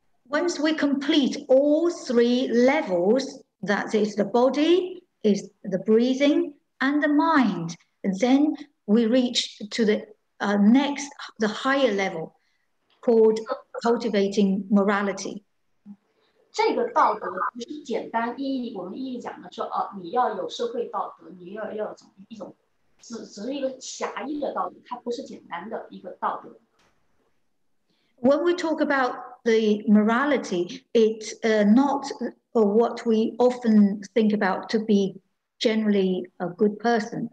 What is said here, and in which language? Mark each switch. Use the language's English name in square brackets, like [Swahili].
[English] Once we complete all three levels, that is the body, is the breathing, and the mind, then we reach to the next, the higher level, called cultivating morality. [Chinese] 这个道德不是简单意义，我们意义讲的是，你要有社会道德，你要有一种，只是一个狭义的道德，它不是简单的一个道德。 [English] When we talk about the morality, it's not what we often think about to be generally a good person.